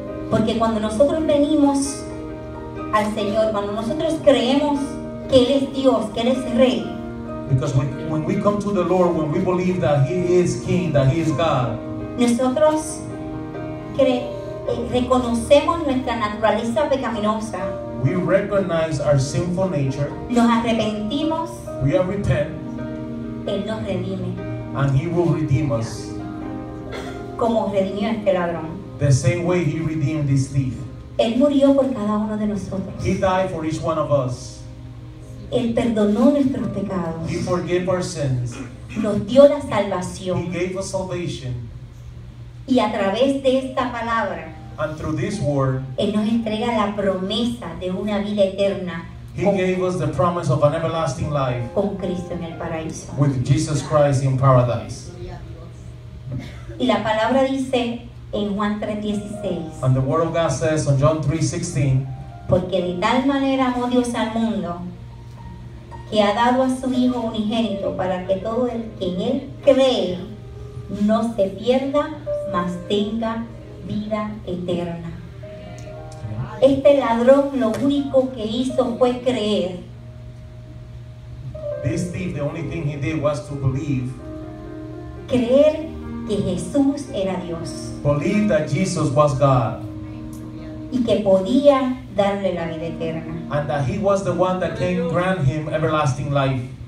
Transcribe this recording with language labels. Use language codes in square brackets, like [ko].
[es] Porque cuando nosotros venimos al Señor, cuando nosotros creemos que él es Dios, que él es rey. [en] Because when we come to the Lord, when we believe that he is king, that he is God. [es] Nosotros reconocemos nuestra naturaleza pecaminosa. [en] We recognize our sinful nature. [es] Nos arrepentimos. [en] We are repent. [es] Él nos redime. [en] And he will redeem us. [es] Como redimió a este ladrón. [en] The same way he redeemed this thief. [es] Él murió por cada uno de nosotros. [en] He died for each one of us. [es] Él perdonó nuestros pecados. [en] He forgave our sins. [es] Nos dio la salvación. [en] He gave us salvation. [es] Y a través de esta palabra, [en] and through this word, [es] Él nos entrega la promesa de una vida eterna. [en] He gave us the promise of an everlasting life. [es] Con Cristo en el paraíso. [en] With Jesus Christ in paradise. [es] Y la palabra dice en Juan 3:16. [en] And the word of God says on John 3:16. [es] Porque de tal manera amó Dios al mundo, que ha dado a su Hijo unigénito, para que todo el que en Él cree no se pierda, mas tenga vida eterna. Este ladrón lo único que hizo fue creer. [en] This thief, the only thing he did was to believe. [es] Creer que Jesús era Dios. [en] Believe that Jesus was God. [es] Y que podía darle la vida eterna. [en] And that he was the one that came grant him everlasting life.